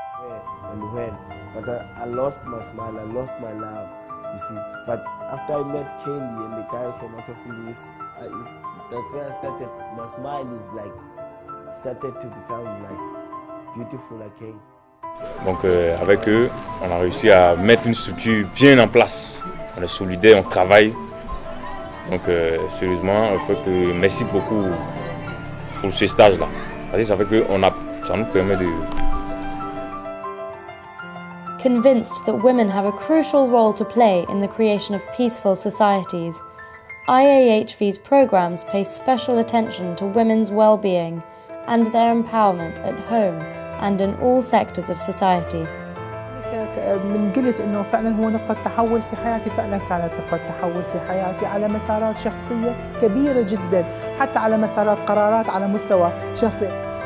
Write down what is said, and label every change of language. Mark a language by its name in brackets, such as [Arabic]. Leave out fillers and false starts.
[English] When, but I lost my smile, I lost my love, you see. But after I met Candy and the guys from Autofilmist, that's when I started, my smile is like, started to become like beautiful again. [French] Donc avec eux, on a réussi à mettre une structure bien en place. On est solidaire, on travaille. Donc sérieusement, il faut que merci beaucoup pour ce stage-là. Parce que ça fait que ça nous permet de... [English] Convinced that women have a crucial role to play in the creation of peaceful societies, IAHV's programs pay special attention to women's well-being and their empowerment at home and in all sectors of society. [Arabic] من قلت انه فعلا هو نقطة تحول في حياتي فعلا كانت نقطة تحول في حياتي على مسارات شخصية كبيرة جدا حتى على مسارات قرارات على مستوى شخصي.